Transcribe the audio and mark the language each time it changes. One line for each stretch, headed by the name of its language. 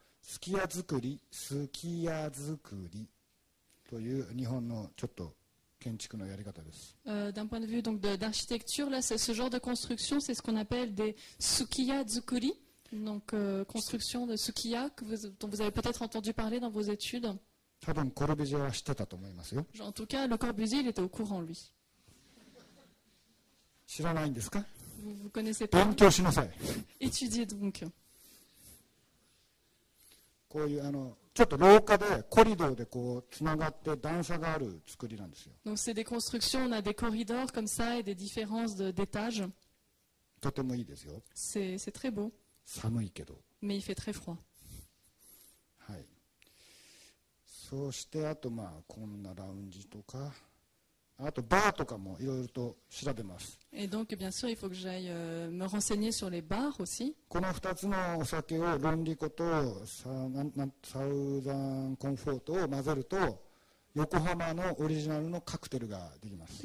Japanese: スキヤ作り、スキヤ作りという日本のちょっと建築のやり方です。
French: D'un point de vue donc d'architecture, là, ce genre de construction, c'est ce qu'on appelle des sukiya zukuri, donc construction de sukiya dont vous avez peut-être entendu parler dans vos études.
Japanese: 多分コルビジェは知ってたと思いますよ。
French: En tout cas, Le Corbusier, il était au courant, lui.
Japanese: 知らないんですか？
French: Vous connaissez pas.
Japanese: 勉強しなさい。
French: Étudiez donc.
Japanese: こういうあのちょっと廊下でコリドーでこうつながって段差がある作りなんですよ。
French: Donc c'est des constructions, on a des corridors comme ça et des différences d'étages.
Japanese: とてもいいですよ。
French: C'est très beau.
Japanese: 寒いけど。
French: Mais il fait très froid.
Japanese: はい。そしてあとまあこんなラウンジとか。あとバーとかもいろいろと調べます。
French: Et donc, bien sûr, il faut que j'aille me renseigner sur les bars aussi.
Japanese: この2つのお酒をロンリコとサウザンコンフォートを混ぜると横浜のオリジナルのカクテルができます。